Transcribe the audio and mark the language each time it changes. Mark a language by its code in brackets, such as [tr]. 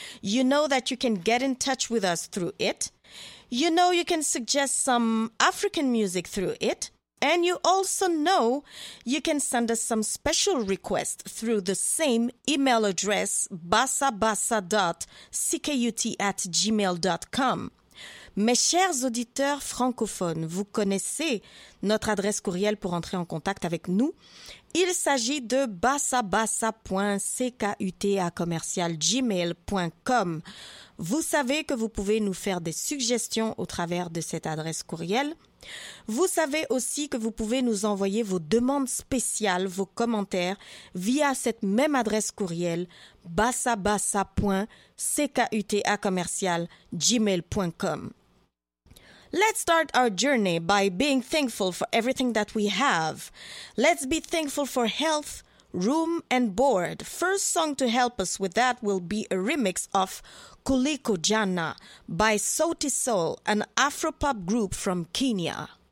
[en] You know that you can get in touch with us through it. You know you can suggest some African music through it. And you also know you can send us some special requests through the same email address, basabasa.ckut@gmail.com. [fr] Mes chers auditeurs francophones, vous connaissez notre adresse courriel pour entrer en contact avec nous. Il s'agit de basabasa.ckut@gmail.com. Vous savez que vous pouvez nous faire des suggestions au travers de cette adresse courriel. Vous savez aussi que vous pouvez nous envoyer vos demandes spéciales, vos commentaires, via cette même adresse courriel, basabasa.ckut@gmail.com. [en] Let's start our journey by being thankful for everything that we have. Let's be thankful for health, room and board. First song to help us with that will be a remix of Kuliko Jana by Sauti Sol, an Afropop group from Kenya.